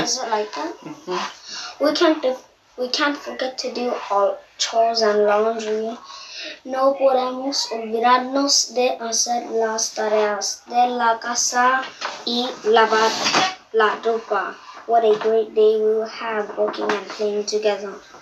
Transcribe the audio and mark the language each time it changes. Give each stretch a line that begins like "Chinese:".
English: We can't forget to do all chores and laundry.
Spanish: No podemos olvidarnos de hacer las tareas de la casa y lavar la ropa.
English: What a great day we will have working and playing together.